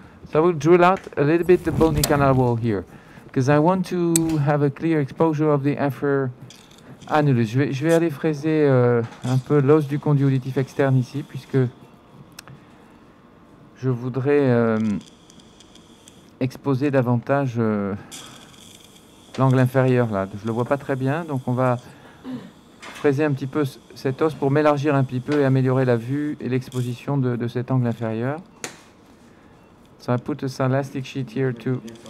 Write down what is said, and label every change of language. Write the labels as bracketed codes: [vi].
[en] So I will drill out a little bit the bony canal wall here, because I want to have a clear exposure of the inferior. [fr] Annulus, je vais aller fraiser un peu l'os du conduit auditif externe ici, puisque je voudrais exposer davantage l'angle inférieur là. Je le vois pas très bien, donc on va fraiser un petit peu cet os pour m'élargir un petit peu et améliorer la vue et l'exposition de cet angle inférieur. [en] So I put this elastic sheet here to...